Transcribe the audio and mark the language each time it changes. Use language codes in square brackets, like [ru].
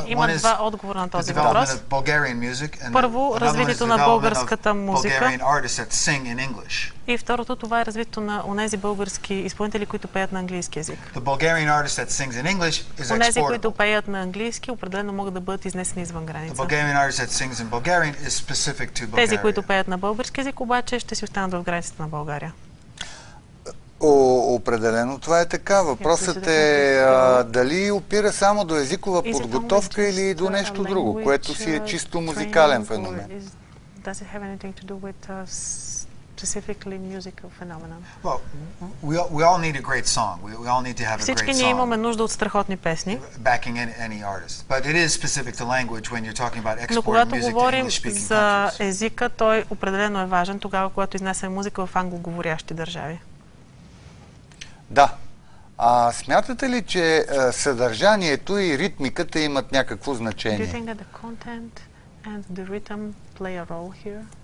[en] One is [bg] отговор на този въпрос. [en] Bulgarian music and [bg] първо развитието на българската музика. [en] Bulgarian artists that sing in English. [bg] И второто това е развитието на онези български изпълнители, които пеят на английски език. [en] The Bulgarian artist that sings in English is [bg] онези, които пеят на английски, определено могат да бъдат изнесени извън граница. [en] The Bulgarian artist that sings in Bulgarian is specific to Bulgaria. [bg] Тези, които пеят на български език, обаче ще си останат в границите на България. Определено това е така. Въпросът е дали опира само до езикова подготовка или до нещо друго, което си е чисто музикален феномен. [en] Does it have anything to do with specifically musical phenomenon? Well, we all need a great song. We all need to have a great song. [bg] Всички ние имаме нужда от страхотни песни. [en] Backing any artist. But it is specific to language when you're talking about exporting music to English-speaking countries. [bg] Но когато говорим за езика, той определено е важен тогава, когато изнасяме музика в англоговорящи държави. Да. А смятате ли, че съдържанието и ритмиката имат някакво значение? [en] Do you think that the content and the rhythm play a role here?